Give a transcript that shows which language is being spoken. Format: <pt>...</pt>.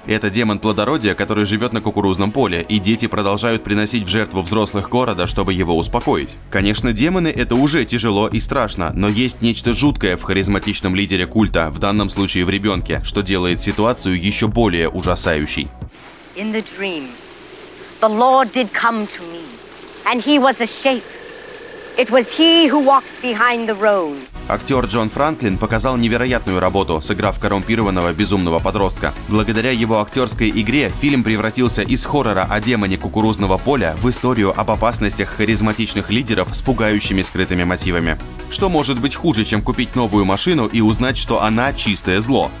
<ru>Это демон плодородия, который живет на кукурузном поле, и дети продолжают приносить в жертву взрослых города, чтобы его успокоить. Конечно, демоны – это уже тяжело и страшно, но есть нечто жуткое в харизматичном лидере культа, в данном случае в ребенке, что делает ситуацию еще более ужасающей.</ru> <en>In the dream, the Lord did come to me. And he was a shape. It was he who walks behind the rose.</en> <ru>Актер Джон Франклин показал невероятную работу, сыграв коррумпированного безумного подростка. Благодаря его актерской игре фильм превратился из хоррора о демоне кукурузного поля в историю об опасностях харизматичных лидеров с пугающими скрытыми мотивами. Что может быть хуже, чем купить новую машину и узнать, что она чистое зло?</ru>